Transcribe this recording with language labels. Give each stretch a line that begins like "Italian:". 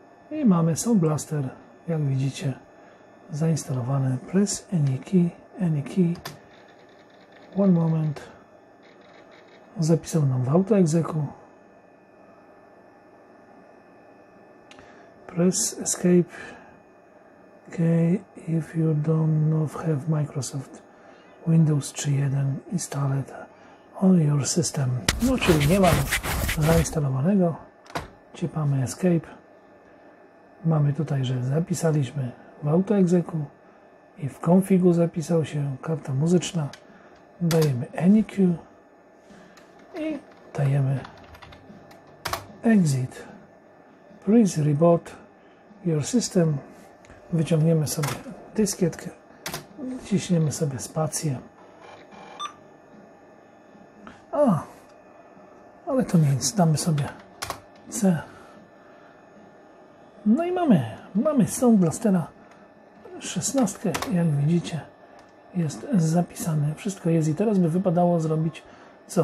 Polish: I mamy Sunblaster, jak widzicie. zainstalowane.
English: Press any key, one moment.
Polish: Zapisał nam w autoexecu.
English: Press escape key if you don't have Microsoft Windows 3.1 installed on your system.
Polish: No, czyli nie mam zainstalowanego. Ciepamy escape. Mamy tutaj, że zapisaliśmy w autoexecu i w configu zapisał się karta muzyczna. Dajemy
English: any key
Polish: i dajemy exit.
English: Please reboot your system.
Polish: Wyciągniemy sobie dyskietkę. Ciśniemy sobie spację. A, ale to nic. Damy sobie C. No i mamy Sound Blastera 16, jak widzicie, jest zapisane, wszystko jest i teraz by wypadało zrobić, co?